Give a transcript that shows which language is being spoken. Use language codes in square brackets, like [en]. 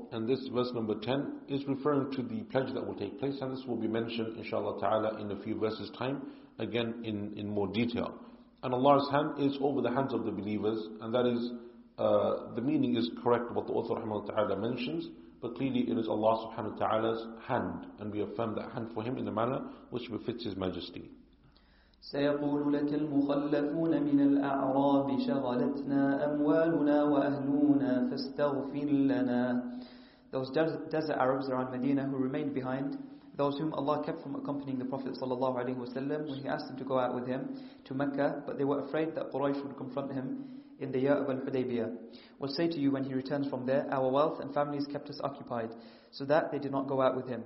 [en] And this verse number 10 is referring to the pledge that will take place, and this will be mentioned, inshallah ta'ala, in a few verses' time, again in more detail. And Allah's hand is over the hands of the believers, and that is, the meaning is correct what the author rahimahullah ta'ala mentions, but clearly it is Allah subhanahu wa ta'ala's hand, and we affirm that hand for him in the manner which befits his majesty. [ar] سيقول لك المخلفون من الأعراب شغلتنا أموالنا وأهلنا فاستغفر لنا [en] Those desert Arabs around Medina who remained behind, those whom Allah kept from accompanying the Prophet ﷺ when he asked them to go out with him to Mecca, but they were afraid that Quraysh would confront him in the year of Al-Hudaybiyah. We'll say to you when he returns from there, our wealth and families kept us occupied, so that they did not go out with him.